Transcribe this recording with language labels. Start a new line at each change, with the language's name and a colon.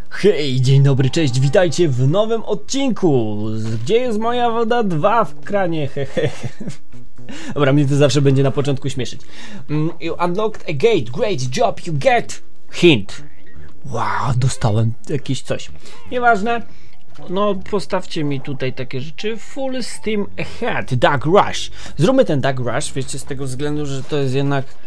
Polish: Hej, dzień dobry, cześć, witajcie w nowym odcinku. Gdzie jest moja woda 2 w kranie? Dobra, mnie to zawsze będzie na początku śmieszyć.
English: You unlocked a gate, great job, you get hint.
Polish: Wow, dostałem jakieś coś. Nieważne. No, postawcie mi tutaj takie rzeczy.
English: Full steam ahead, duck rush.
Polish: Zróbmy ten duck rush, wiecie, z tego względu, że to jest jednak...